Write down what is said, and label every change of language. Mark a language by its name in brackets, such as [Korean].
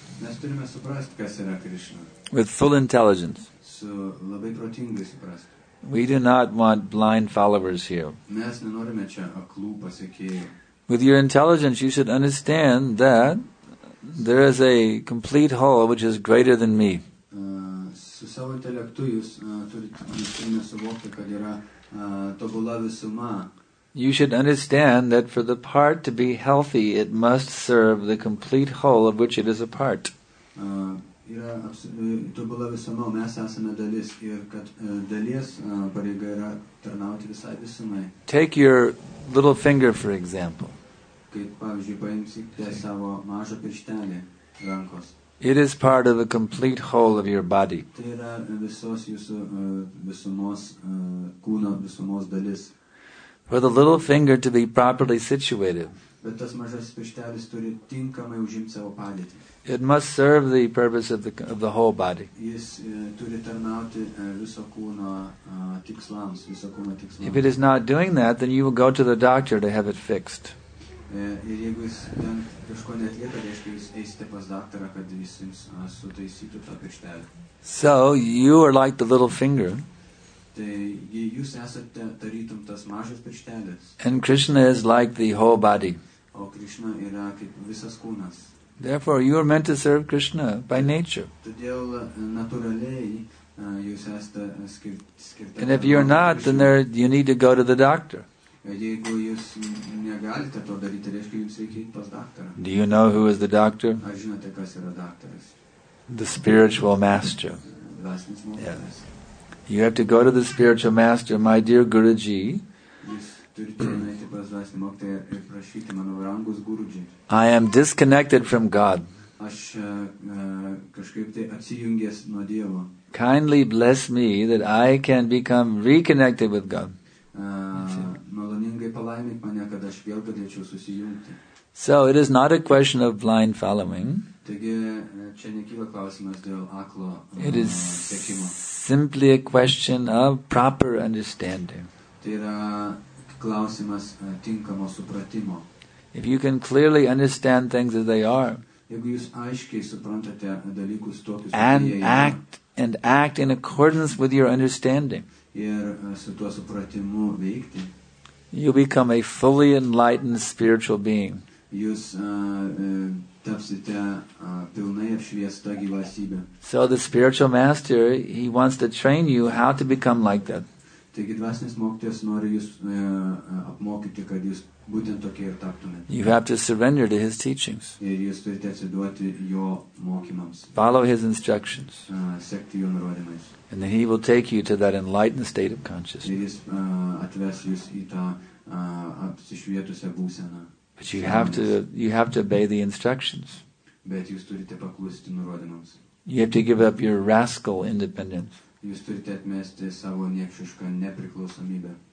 [Lithuanian] Mes turime suprast, kas yra Krishna. [English] With full intelligence. [Lithuanian] So, labai protingai suprast. [English] We do not want blind followers here. [Lithuanian] Mes nenorime čia aklų pasekėjų. [English] With your intelligence, you should understand that there is a complete whole which is greater than me. [Lithuanian] Su savo intelektu jūs turite suvokti, kad yra tobula visuma. [English] You should understand that for the part to be healthy, it must serve the complete whole of which it is a part. [Lithuanian] Yra tobula visuma, mes esame dalis, ir kad dalies pareiga yra tarnauti visai visumai. [English] Take your little finger, for example. [Lithuanian] Kaip pavyzdžiui, paimsite savo mažą pirštelį rankos. [English] It is part of the complete whole of your body. [Lithuanian] Tai yra visos jūsų visumos kūno visumos dalis. [English] For the little finger to be properly situated. [Lithuanian] Bet tas mažas pirštelis turi tinkamai užimti savo padėtį. [English] It must serve the purpose of the whole body. [Lithuanian] Jis turi tarnauti viso kūno tikslams, viso kūno tikslams. [English] If it is not doing that, then you will go to the doctor to have it fixed. [Lithuanian] Ir jeigu jis ten kažko netlieka, reiškia, jūs eisite pas daktarą, kad jis jums sutaisytų tą pirštelį. [English] So, you are like the little finger. [Lithuanian] Tai jūs esate tarytum tas mažas pirštelis. [English] And Krishna is like the whole body. [Lithuanian] O Krishna yra kaip visas kūnas. [English] Therefore, you are meant to serve Krishna by nature. [Lithuanian] Todėl natūraliai jūs esate skirti. [English] And if you are not, then there you need to go to the doctor. [Lithuanian] Jeigu jūs negalite to daryti, reiškia, jums reikia eiti pas daktarą. [English] Do you know who is the doctor? [Lithuanian] Ar žinote, kas yra daktaras? [English] The spiritual master. [Lithuanian] Dvasinis mokytojas. Yes. [English] You have to go to the spiritual master, my dear Guruji. [Lithuanian] Jūs turite nueiti pas dvasinį mokytoją ir prašyti, mano brangus Guruji. [English] I am disconnected from God. [Lithuanian] Aš kažkaip tai atsijungęs nuo Dievo. [English] Kindly bless me that I can become reconnected with God. [Lithuanian] Maloningai palaimink mane, kad aš vėl galėčiau susijungti. [English] So it is not a question of blind following. [Lithuanian] Taigi čia nekyla klausimas dėl aklo sekimo. [English] Simply a question of proper understanding. [Lithuanian] Tai yra klausimas tinkamo supratimo. [English] If you can clearly understand things as they are, [Lithuanian] jeigu jūs aiškiai suprantate dalykus tokius, [English] and act in accordance with your understanding, [Lithuanian] ir su tuo supratimu veikti, [English] you become a fully enlightened spiritual being. [Lithuanian] jūs tapsite pilnai apšviesta gyvasybė. [English] So the spiritual master, he wants to train you how to become like that. [Lithuanian] Taigi dvasinis mokytojas nori jūs apmokyti, kad jūs būtent tokie ir taptumėte. [English] You have to surrender to his teachings. [Lithuanian] Ir jūs turite atsiduoti jo mokymams. [English] Follow his instructions. [Lithuanian] Sekti jo nurodymais. [English] And then he will take you to that enlightened state of consciousness. [Lithuanian] Ir jis atves jūs į tą apsišvietusią būseną. [English] But you have to obey the instructions. [Lithuanian] Bet jūs turite paklusti nurodymams. [English] You have to give up your rascal independence. [Lithuanian] Jūs turite atmesti savo niekšišką nepriklausomybę.